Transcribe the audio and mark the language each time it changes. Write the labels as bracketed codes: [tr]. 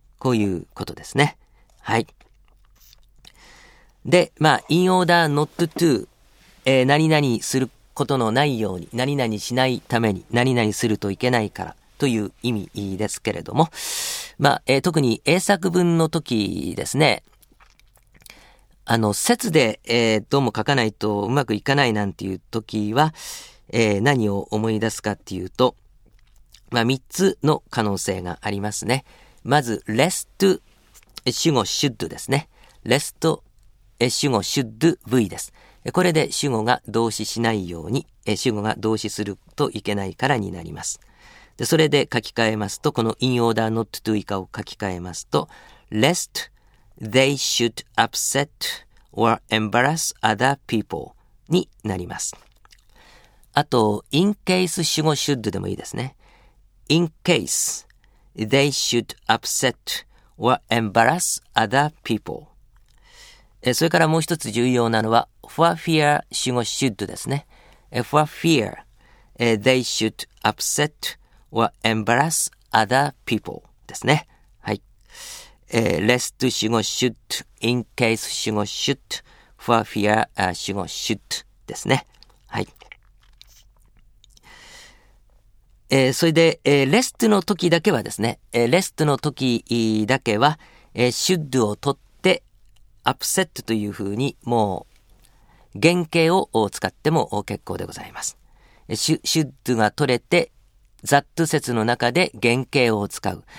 [ja] こういうことですね。はい。で、まあ、 [en] in order not to、 [ja] 何々することのないように、何々しないために、何々するといけないからという意味ですけれども、まあ、特に英作文の時ですね、節で、どうも書かないとうまくいかないなんていう時は、何を思い出すかっていうと、まあ、三つの可能性がありますね。まず、rest、主語 should ですね。 rest、主語 should v です。これで主語が動詞しないように、主語が動詞するといけないからになります。で、それで書き換えますと、この in order not to 以下を書き換えますと、 [en] lest they should upset or embarrass other people [ja] になります。あと、 [en] in case [ja] 主語 should でもいいですね。 [en] in case they should upset or embarrass other people。 [ja] それからもう一つ重要なのは、 [en] for fear [ja] 主語 should ですね。 [en] for fear they should upset or embarrass other people [ja] ですね。はい。 [en] lest 主語 should, in case 主語 should, for fear 主語 should [ja] ですね。はい。それで、rest の時だけはですね、rest の時だけは、should を取って、upset というふうに、もう、原型を使っても結構でございます。 should が取れて、that 説の中で原型を使う。